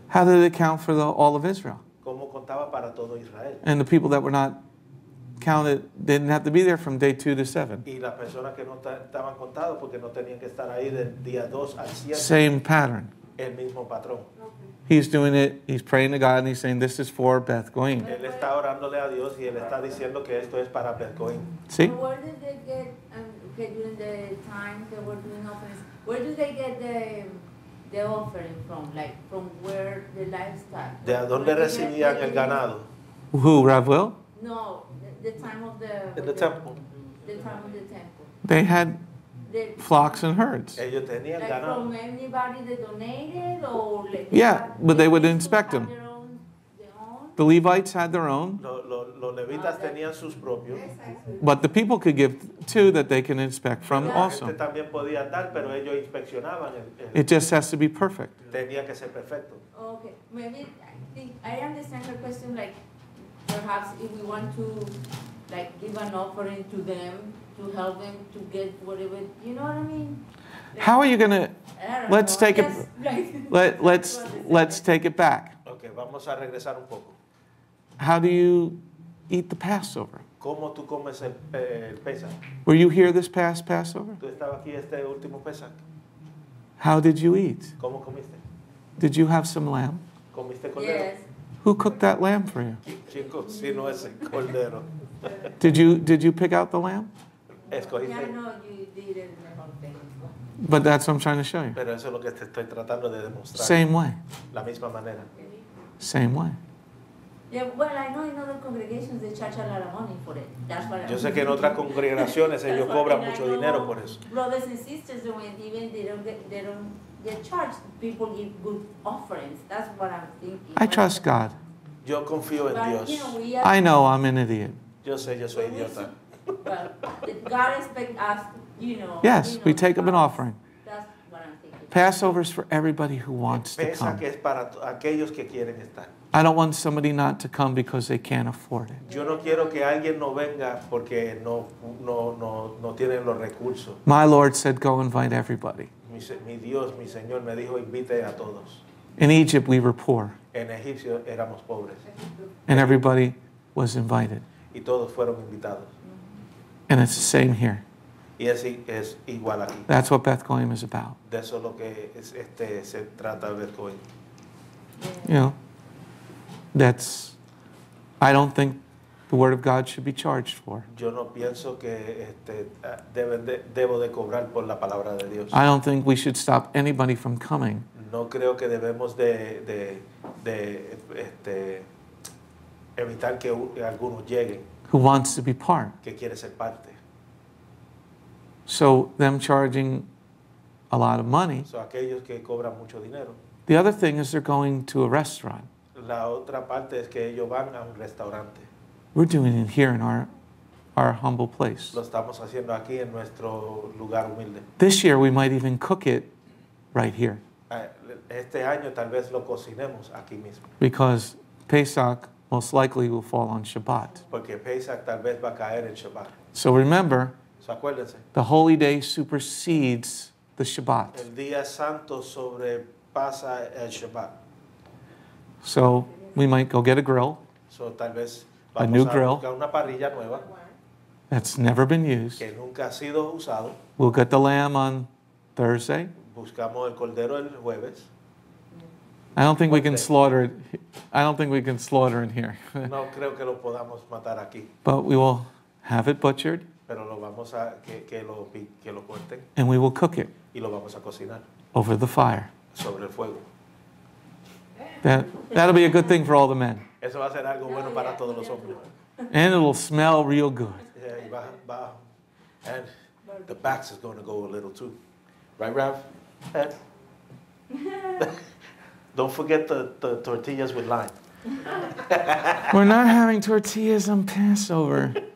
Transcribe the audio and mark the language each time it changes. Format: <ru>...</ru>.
<en>How did it count for all of Israel?</en> <es>¿Cómo contaba para todo Israel?</es> <en>And the people that were not counted, they didn't have to be there from day 2 to 7.</en> <es>Y las personas que no estaban contados porque no tenían que estar ahí del día 2 al 7.</es> <en>Same pattern.</en> <es>El mismo patrón.</es> <en>He's doing it, he's praying to God and he's saying this is for Beth Goyim.</en> <es>Él está orándole a Dios y él está diciendo que esto es para Beth Goyim.</es> <en>See? Where did they get, during the time they were doing offerings, where do they get the offering from? Like, from where the livestock?</en> <es>¿De dónde recibían el ganado?</es> <en>Who, Rav Will? No, the time of the... In the temple. The time of the temple. They had... flocks and herds.</en> <es>Ellos tenían</es> <en>like</en> <es>ganado.</es> <en>From anybody that donated or like they yeah, had, but they would inspect them. Their own? The Levites had their own. Los Levitas tenían sus propios. But the people could give too that they can inspect from also.</en> <es>Este también podía dar, pero ellos inspeccionaban el,</es> <en>it just has to be perfect.</en> <es>Tenía que ser perfecto.</es> <en>Okay. Maybe I understand your question, like perhaps if we want to like give an offering to them. To help them to get whatever, you know what I mean? Like, how are you gonna? Let's know. Take yes, it. Right. Let's take it back.</en> <es>Okay, vamos a regresar un poco.</es> <en>How do you eat the Passover?</en> <es>¿Cómo tú comes el Pesach?</es> <en>Were you here this past Passover?</en> <es>¿Tú estabas aquí este último Pesach?</es> <en>How did you eat?</en> <es>¿Cómo comiste?</es> <en>Did you have some lamb?</en> <es>¿Comiste cordero?</es> <en>Yes. Who cooked that lamb for you?</en> <es>¿Quién cocinó ese cordero?</es> <en>Did you pick out the lamb? Yeah, no, you didn't. But that's what I'm trying to show you.</en> <es>Pero eso es lo que te estoy tratando de demostrar.</es> <en>Same way.</en> <es>La misma manera.</es> <en>Same way. Yeah, well, I know in other congregations they charge a lot of money for it. That's what</en> <es>yo sé que en otras congregaciones ellos cobran mucho dinero por eso.</es> <en>Brothers and sisters, even they don't charge. People give good offerings. That's what I'm thinking. I trust God.</en> <es>Yo confío en</es> <en>but,</en> <es>Dios.</es> <en>You know, I know I'm an idiot.</en> <es>Yo sé, yo soy idiota.</es> <en>But God expects us, you know. Yes, you know, we take up an offering. That's what I'm thinking. Passover is for everybody who wants Pesach to come.</en> <es>Es para aquellos que quieren estar.</es> <en>I don't want somebody not to come because they can't afford it.</en> <es>Yo no quiero que alguien no venga porque no tienen los recursos.</es> <en>My Lord said, go invite everybody.</en> <es>Mi Dios, mi Señor, me dijo, invite a todos.</es> <en>In Egypt, we were poor.</en> <es>En Egipcio, éramos pobres.</es> <en>And everybody was invited.</en> <es>Y todos fueron invitados.</es> <en>And it's the same here.</en> <es>Y es igual aquí.</es> <en>That's what Beth Goyim is about.</en> <es>De eso lo que es, se trata Beth Goyim.</es> <en>You know, that's, I don't think the Word of God should be charged for.</en> <es>Yo no pienso que debo de cobrar por la palabra de Dios.</es> <en>I don't think we should stop anybody from coming.</en> <es>No creo que debemos de evitar que algunos lleguen.</es> <en>Who wants to be part.</en> <es>Que quiere ser parte.</es> <en>So them charging a lot of money.</en> <es>So aquellos que cobran mucho dinero.</es> <en>The other thing is they're going to a restaurant.</en> <es>La otra parte es que ellos van a un restaurante.</es> <en>We're doing it here in our humble place.</en> <es>Lo estamos haciendo aquí en nuestro lugar humilde.</es> <en>This year we might even cook it right here.</en> <es>Este año tal vez lo cocinemos aquí mismo.</es> <en>Because Pesach most likely will fall on Shabbat.</en> <es>Porque Pesach tal vez va a caer en Shabbat.</es> <en>So remember,</en> <es>so acuérdense,</es> <en>the holy day supersedes the Shabbat.</en> <es>El día santo sobre pasa el Shabbat.</es> <en>So we might go get a grill.</en> <es>So tal vez a vamos</es> <en>new grill</en> <es>una parrilla nueva</es> <en>that's never been used.</en> <es>Que nunca ha sido usado.</es> <en>We'll get the lamb on Thursday.</en> <es>Buscamos el cordero el jueves.</es> <en>I don't think we can slaughter it. I don't think we can slaughter in here.</en> <es>No creo que lo podamos matar aquí.</es> <en>But we will have it butchered.</en> <es>Pero lo vamos a que lo corten.</es> <en>And we will cook it.</en> <es>Y lo vamos a cocinar.</es> <en>Over the fire.</en> <es>Sobre el fuego.</es> <en>That'll be a good thing for all the men.</en> <es>Eso va a ser algo bueno para todos los hombres.</es> <en>And it'll smell real good. Yeah, and the backs is going to go a little too. Right, Rav? Ed? Don't forget the tortillas with lime. We're not having tortillas on Passover.</en>